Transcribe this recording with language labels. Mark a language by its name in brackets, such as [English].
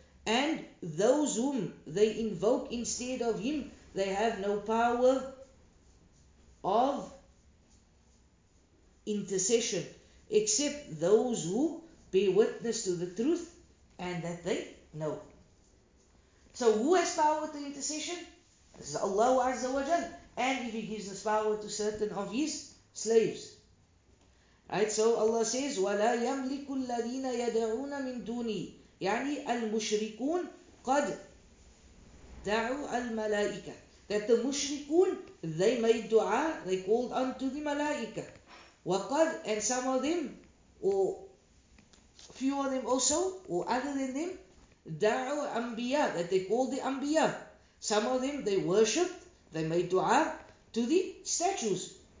[English] And those whom they invoke instead of him, they have no power of intercession, except those who bear witness to the truth and that they know. So who has power to intercession? This is Allah Azza wa Jal. And if he gives this power to certain of his slaves. Right? So Allah says, [Arabic] وَلَا يَمْلِكُ الَّذِينَ يَدْعُونَ مِنْ دُونِي. يعني المشركون قد دعوا الملائكة. [English] That the mushrikun, they made dua, they called unto the malaika. [Arabic] وَقَدْ, [English] and some of them, or few of them also, or other than them, [Arabic] دعوا أنبياء, [English] that they called the أنبياء. Some of them, they worshipped, they made dua to the statues.